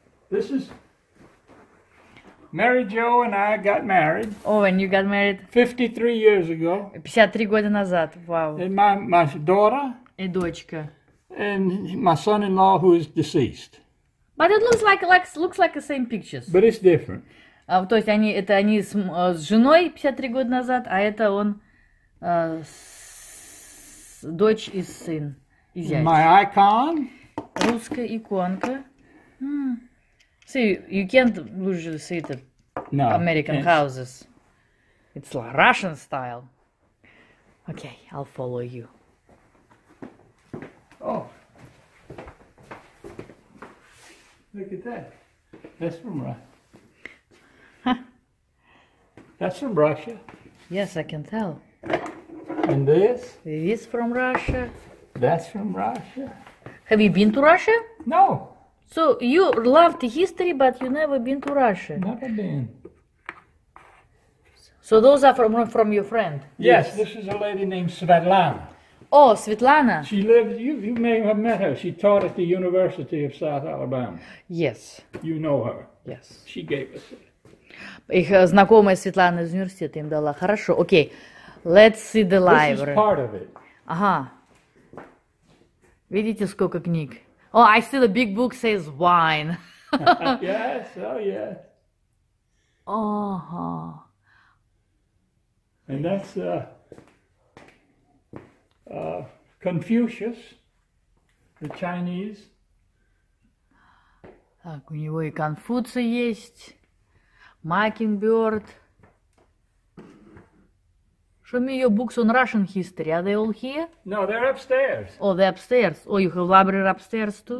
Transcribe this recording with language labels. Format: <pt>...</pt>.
<en>This is Mary Jo and I got married. Oh, and you got married? 53 years ago.</en> <ru>53 года назад.</ru> <en>Wow. And my daughter.</en> <ru>И дочка.</ru> <en>And my son-in-law who is deceased. But it looks like the same pictures. But it's different.</en> <ru>То есть они с женой 53 года назад, а это он с дочь и сын, и зять.</ru> <en>My icon.</en> <ru>Русская иконка.</ru> <en>See, you can't usually see the no, American it's... houses. It's Russian style. Okay, I'll follow you. Oh. Look at that. That's from Russia. That's from Russia. Yes, I can tell. And this? It is from Russia. That's from Russia. Have you been to Russia? No. So you loved history, but you never been to Russia? Never been. So those are from your friend? Yes, this is a lady named Svetlana. Oh, Svetlana. She lives, you may have met her. She taught at the University of South Alabama. Yes. You know her. Yes. She gave us it.</en> <ru>Их знакомая Светлана из университета им дала. Хорошо, окей.</ru> <en>Okay. Let's see the library. This is part of it.</en> <ru>Ага. Видите, сколько книг?</ru> <en>Oh, I see the big book says wine. Yes, oh yeah.</en> <ru>Ага.</ru> <en>And that's Confucius, the Chinese.</en> <ru>Так, у него и Конфуций есть.</ru> <en>Mockingbird. Show me your books on Russian history. Are they all here? No, they're upstairs. Oh, they're upstairs. Oh, you have a library upstairs too?</en>